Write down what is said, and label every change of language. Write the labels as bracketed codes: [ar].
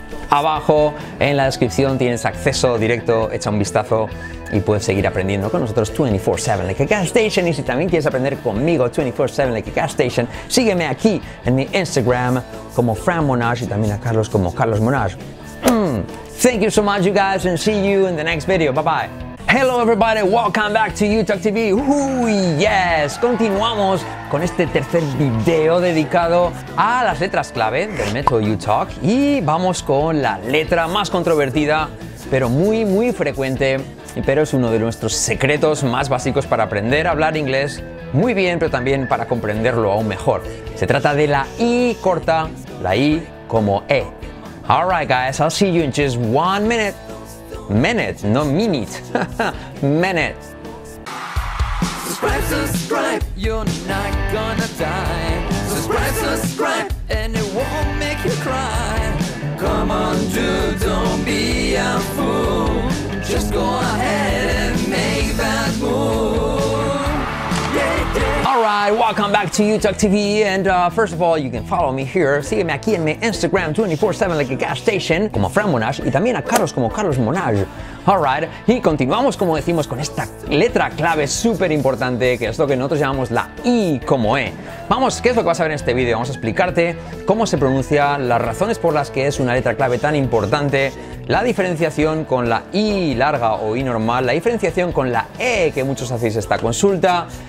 [es] Abajo en la descripción tienes acceso directo. Echa un vistazo y puedes seguir aprendiendo con nosotros 24/7 [en] like a gas station. [es] Y si también quieres aprender conmigo 24/7 like a gas station, sígueme aquí en mi Instagram como Fran Monash y también a Carlos como Carlos Monash. [en] Thank you so much, you guys, and see you in the next video. Bye-bye. Hello, everybody. Welcome back to YouTalk TV. Yes. [es] Continuamos con este tercer video dedicado a las letras clave del método YouTalk. Y vamos con la letra más controvertida, pero muy, muy frecuente. Pero es uno de nuestros secretos más básicos para aprender a hablar inglés muy bien, pero también para comprenderlo aún mejor. Se trata de la I corta, la I como E. [en] All right, guys, I'll see you in just 1 minute. Minute, no minute. Minute. Subscribe, subscribe. You're not gonna die. Subscribe, subscribe. And it won't make you cry. Come on, dude, don't be a fool. Just go ahead and make that move. Yeah, yeah. All right, welcome back to YouTalk TV. And first of all, you can follow me here. [es] Sígueme aquí en mi Instagram 24/7 [en] like a gas station, [es] como Fran Monash, y también a Carlos como Carlos Monash. [en] All right, [es] y continuamos, como decimos, con esta letra clave súper importante, que es lo que nosotros llamamos la I como E. Vamos, ¿qué es lo que vas a ver en este vídeo? Vamos a explicarte cómo se pronuncia, las razones por las que es una letra clave tan importante, la diferenciación con la I larga o I normal, la diferenciación con la E, que muchos hacéis esta consulta,